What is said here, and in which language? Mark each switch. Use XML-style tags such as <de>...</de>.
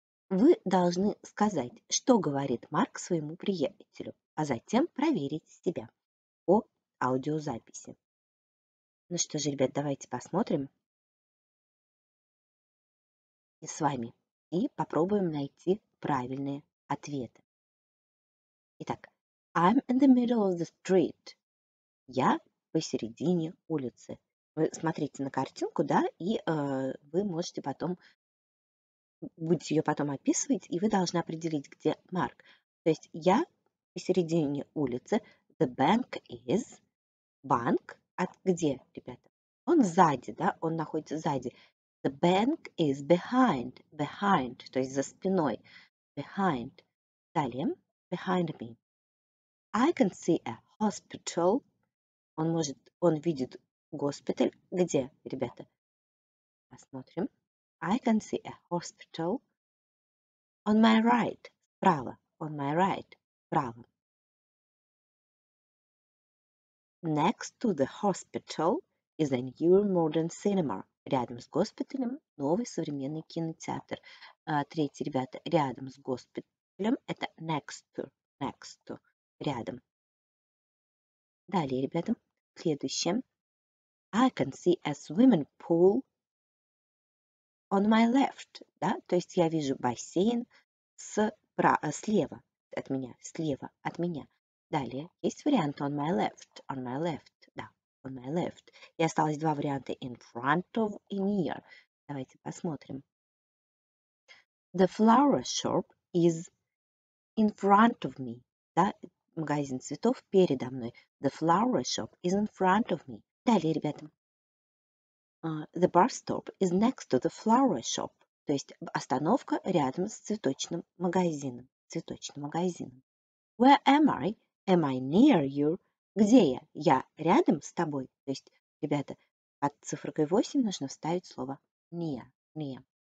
<ru>Вы должны сказать, что говорит Марк своему приятелю, а затем проверить себя по аудиозаписи. Ну что же, ребят, давайте посмотрим и с вами и попробуем найти правильные ответы. Итак,</ru> <en>I'm in the middle of the street.</en> <ru>Я посередине улицы. Вы смотрите на картинку, да, и вы можете потом, будете ее потом описывать, и вы должны определить, где Марк. То есть я посередине улицы.</ru> <en>The bank is.</en> <ru>Банк. А где, ребята? Он сзади, да? Он находится сзади.</ru> <en>The bank is behind. Behind,</en> <ru>то есть за спиной.</ru> <en>Behind.</en> <ru>Далее.</ru> <en>Behind me. I can see a hospital.</en> <ru>Он видит госпиталь. Где, ребята? Посмотрим.</ru> <en>I can see a hospital. On my right.</en> <ru>Справа.</ru> <en>On my right. Справа. Next to the hospital is a new modern cinema.</en> <ru>Рядом с госпиталем новый современный кинотеатр. Третье, ребята, рядом с госпиталем это next to, рядом. Далее, ребята, следующее.</ru> <en>I can see a swimming pool on my left.</en> <ru>Да? То есть я вижу бассейн слева от меня. Далее есть вариант on my left, да, on my left. И осталось два варианта in front of и near. Давайте посмотрим.</ru> <en>The flower shop is in front of me.</en> <ru>Да? Магазин цветов передо мной.</ru> <en>The flower shop is in front of me.</en> <ru>Далее, ребята.</ru> <en>The bar stop is next to the flower shop.</en> <ru>То есть остановка рядом с цветочным магазином. Цветочным магазином.</ru> <en>Where am I? Am I near you?</en> <ru>Где я? Я рядом с тобой. То есть, ребята, под цифркой 8 нужно вставить слово near.</ru> <en>Near.</en>